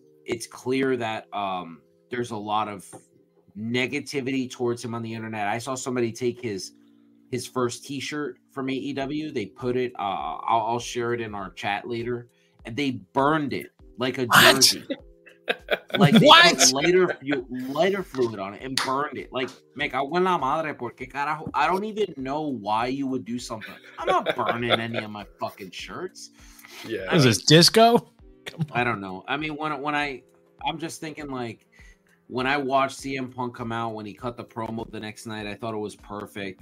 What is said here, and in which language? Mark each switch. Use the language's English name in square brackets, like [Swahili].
[English] It's clear that there's a lot of negativity towards him on the internet. I saw somebody take his first t-shirt from AEW. They put it, I'll share it in our chat later, and they burned it like a jersey. Like they put lighter fluid on it and burned it. [Spanish] Like, me cago en la madre porque carajo. [English] I don't even know why you would do something. I'm not burning any of my fucking shirts. Yeah, is this disco? I don't know. I mean, when I'm just thinking like when I watched CM Punk come out when he cut the promo the next night, I thought it was perfect.